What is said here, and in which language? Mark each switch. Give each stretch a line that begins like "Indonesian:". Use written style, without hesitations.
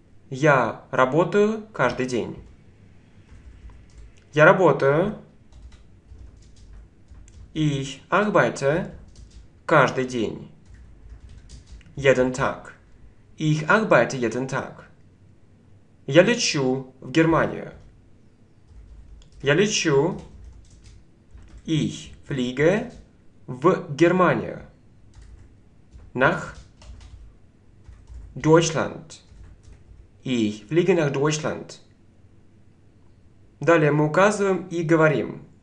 Russian: Я работаю каждый день. Я работаю.
German: Ich arbeite
Russian: каждый день.
German: Jeden Tag. Ich arbeite jeden Tag.
Russian: Я лечу в Германию. Я лечу.
German: Ich fliege
Russian: в Германию.
German: Nach Deutschland. Ich fliege nach Deutschland.
Russian: Далее мы указываем и говорим.